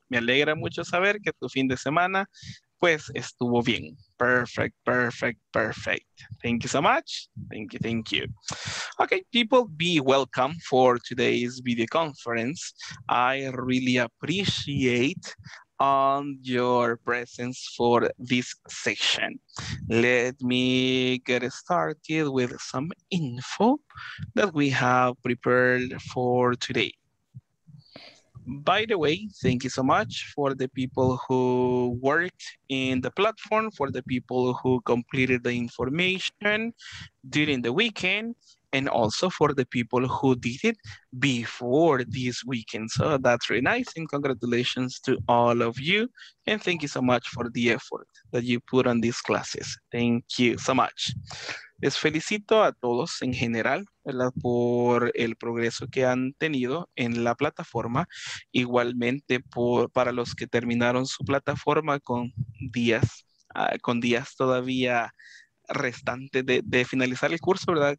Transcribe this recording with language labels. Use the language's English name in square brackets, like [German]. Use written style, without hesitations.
[Spanish] Me alegra mucho saber que tu fin de semana, pues, estuvo bien. [English] Perfect, perfect, perfect. Thank you so much. Thank you. Okay, people, be welcome for today's video conference. I really appreciate on your presence for this session. Let me get started with some info that we have prepared for today. By the way, thank you so much for the people who worked in the platform, for the people who completed the information during the weekend, and also for the people who did it before this weekend. So that's really nice. And congratulations to all of you. And thank you so much for the effort that you put on these classes. Thank you so much. [Spanish] Les felicito a todos en general, ¿verdad? Por el progreso que han tenido en la plataforma. Igualmente para los que terminaron su plataforma con días todavía restante de finalizar el curso, ¿verdad?